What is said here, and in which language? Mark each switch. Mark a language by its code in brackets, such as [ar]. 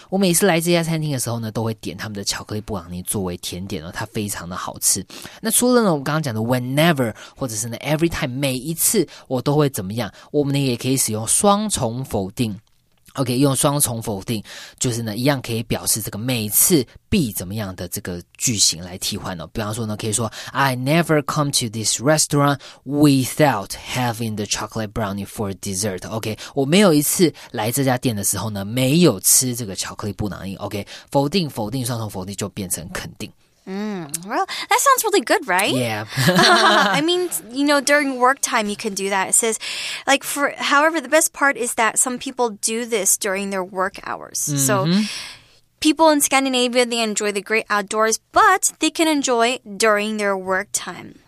[zh] 我每次来这家餐厅的时候呢，都会点他们的巧克力布朗尼作为甜点哦，它非常的好吃。那除了呢，我们刚刚讲的 whenever 或者是呢 every time 每一次我都会怎么样，我们呢也可以使用双重否定。 OK， 用双重否定就是呢一样可以表示这个每次必怎么样的这个句型来替换哦。比方说呢，可以说 [en] I never come to this restaurant without having the chocolate brownie for dessert. [zh] OK， 我没有一次来这家店的时候呢没有吃这个巧克力布朗尼。OK， 否定双重否定就变成肯定。 [en] Well, that sounds really good, right? Yeah. I mean, you know, during work time, you can do that. It says, like, however, the best part is that some people do this during their work hours. Mm-hmm. So people in Scandinavia, they enjoy the great outdoors, but they can enjoy during their work time.